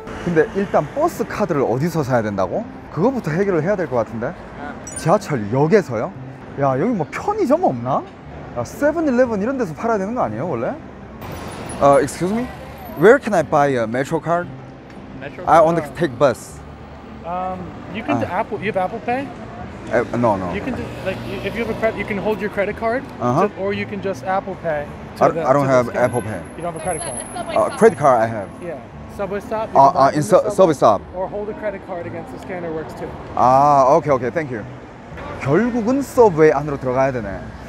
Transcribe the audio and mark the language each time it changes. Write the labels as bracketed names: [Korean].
[Korean] 근데 일단 버스 카드를 어디서 사야 된다고? 그거부터 해결을 해야 될 것 같은데? 지하철 역에서요? 야 여기 뭐 편의점 없나? 야, 7-11 이런 데서 팔아야 되는 거 아니에요 원래? [English] Excuse me? Where can I buy a metro card? Metro card? I want to take bus. You can Apple, you have Apple Pay? No. You can just, like, if you have a credit, you can hold your credit card. Uh-huh. Or you can just Apple Pay. I don't have Apple Pay. You don't have a credit card? Credit card I have. Yeah. Subway stop? Subway stop. Or hold a credit card against the scanner works too. Ah, okay, thank you. [Korean] 결국은 Subway 안으로 들어가야 되네.